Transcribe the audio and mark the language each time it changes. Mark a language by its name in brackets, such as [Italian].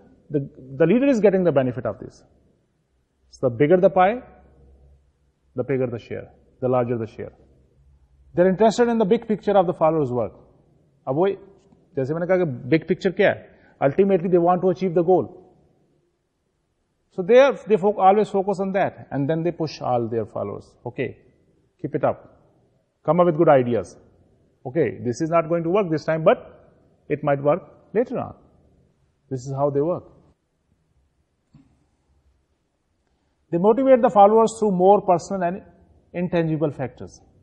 [English] The leader is getting the benefit of this. So the bigger the pie, the bigger the share, the larger the share. They're interested in the big picture of the followers' work. [Urdu] جیسے میں نے کہا کہ big picture کیا ہے, [English] Ultimately they want to achieve the goal. So they are they always focus on that, and then they push all their followers. Okay, keep it up, come up with good ideas. Okay, this is not going to work this time, but it might work later on. This is how they work. They motivate the followers through more personal and intangible factors.